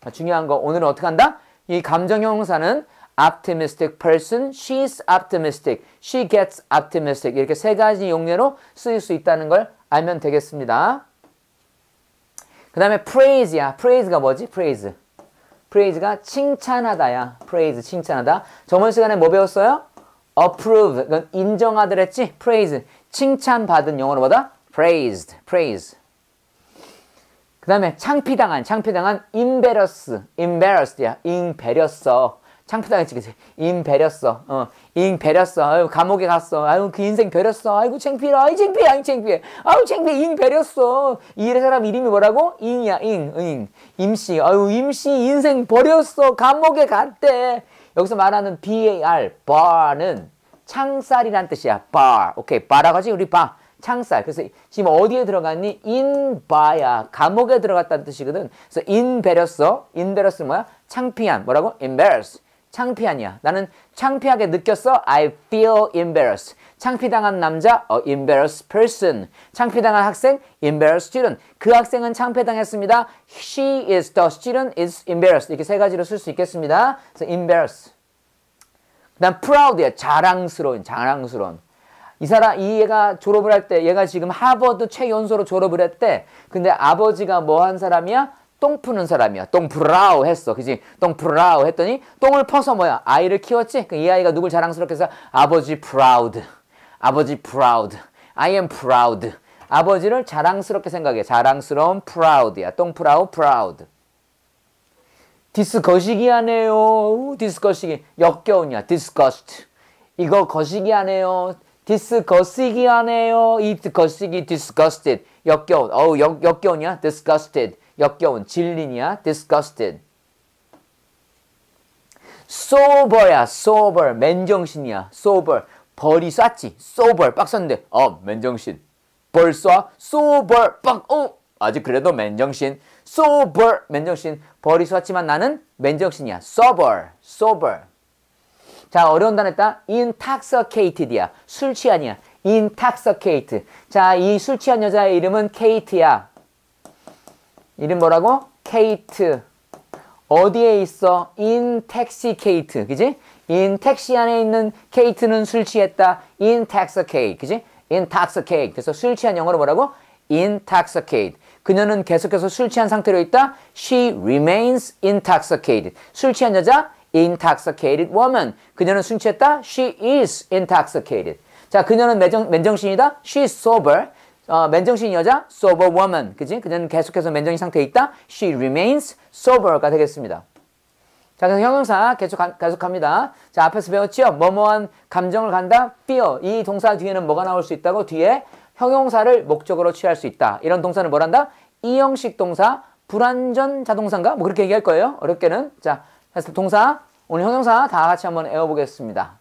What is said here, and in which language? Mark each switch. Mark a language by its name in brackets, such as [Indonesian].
[Korean] 중요한 거 오늘은 어떻게 한다? 이 감정 형용사는 optimistic person, she's optimistic, she gets optimistic, 이렇게 세 가지 용례로 쓰일 수 있다는 걸 알면 되겠습니다. 그 다음에 praise야. praise가 뭐지? praise. praise가 칭찬하다야. praise, 칭찬하다. 저번 시간에 뭐 배웠어요? approve, 그건 인정하더랬지? praise, 칭찬받은 영어로보다 praised, praise. 그 다음에 창피당한, 창피당한 embarrassed, embarrassed야. embarrassed. 창피당했지, 그치? 임 배렸어. 임 배렸어. 아유, 감옥에 갔어. 아유, 그 인생 배렸어. 아이고, 창피해. 아이, 창피해. 아이, 창피해. 아우, 창피해. 임 배렸어. 이 사람 이름이 뭐라고? 임이야, 임. 임. 임씨. 아유, 임씨. 인생 버렸어. 감옥에 갔대. 여기서 말하는 bar, bar는 창살이란 뜻이야. bar. 오케이. bar라고 하지? 우리 bar. 창살. 그래서 지금 어디에 들어갔니? [English] in bar야. [Korean] 감옥에 들어갔다는 뜻이거든. 그래서 임 배렸어. 임 배렸으면 뭐야? 창피한. 뭐라고? embarrassed. 창피하냐. 나는 창피하게 느꼈어. [English] I feel embarrassed. [Korean] 창피당한 남자, [English] a embarrassed person. [Korean] 창피당한 학생, embarrassed student. 그 학생은 창피당했습니다. [English] She is, the student is embarrassed. [Korean] 이렇게 세 가지로 쓸 수 있겠습니다. [English] So embarrassed. [Korean] 난 [English] proud야. [Korean] 자랑스러운, 자랑스러운. 이 사람, 이 얘가 졸업을 할 때, 얘가 지금 하버드 최연소로 졸업을 했대. 근데 아버지가 뭐 한 사람이야? 똥 푸는 사람이야. 똥 프라우 했어. 그지? 똥 프라우 했더니 똥을 퍼서 뭐야? 아이를 키웠지? 이 아이가 누굴 자랑스럽게 해서 아버지 프라우드. 아버지 프라우드. [English] I am proud. [Korean] 아버지를 자랑스럽게 생각해. 자랑스러운 프라우드야. 똥 프라우 프라우드. 디스 거시기 하네요. 디스 거시기. 역겨우냐. 디스거스트. 이거 거시기 하네요. 디스 거시기 하네요. 이트 거시기 디스거스트. 역겨운. 어우, 역겨우냐. 디스거스트. 역겨운, 질린이야, disgusted. sober야, sober, 맨정신이야, sober. 벌이 쐈지, sober, 빡쐈는데, 맨정신. 벌 쏴, sober, 빡, 아직 그래도 맨정신. sober, 맨정신. 벌이 쐈지만 나는 맨정신이야, sober, sober. 자, 어려운 단어 했다. intoxicated야, 술 취한이야, intoxicated. 자, 이 술 취한 여자의 이름은 케이트야. 이름 뭐라고? 케이트. 어디에 있어? 인 택시 케이트. 그지? 인 택시 안에 있는 케이트는 술 취했다. 인택서케이트. 그지? 인택서케이트. 그래서 술 취한 영어로 뭐라고? 인택서케이트. 그녀는 계속해서 술 취한 상태로 있다. [English] She remains intoxicated. [Korean] 술 취한 여자, intoxicated woman. 그녀는 술 취했다. [English] She is intoxicated. [Korean] 자, 그녀는 맨정신이다. [English] She's sober. [Korean] 맨정신 여자, sober woman. 그지? 그녀는 계속해서 맨정신 상태에 있다. [English] She remains sober가 되겠습니다. [Korean] 자, 그래서 형용사 계속합니다. 자, 앞에서 배웠죠? 뭐뭐한 감정을 간다? feel. 이 동사 뒤에는 뭐가 나올 수 있다고? 뒤에 형용사를 목적으로 취할 수 있다. 이런 동사는 뭘 한다? 이형식 동사, 불완전 자동사인가? 뭐 그렇게 얘기할 거예요. 어렵게는. 자, 그래서 동사, 오늘 형용사 다 같이 한번 외워보겠습니다.